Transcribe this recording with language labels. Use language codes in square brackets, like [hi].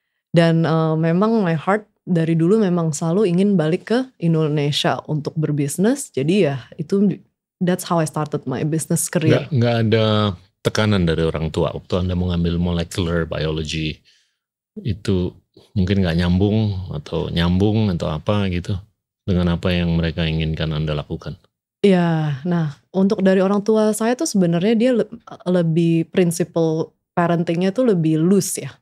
[id] Dan memang my heart dari dulu memang selalu ingin balik ke Indonesia untuk berbisnis. [en] Jadi ya itu, that's how I started my business career. [id] Gak ada tekanan dari orang tua waktu Anda mengambil molecular biology itu? Mungkin gak nyambung atau apa gitu dengan apa yang mereka inginkan Anda lakukan? Ya, nah untuk dari orang tua saya tuh sebenarnya dia lebih prinsipal parentingnya tuh lebih loose ya.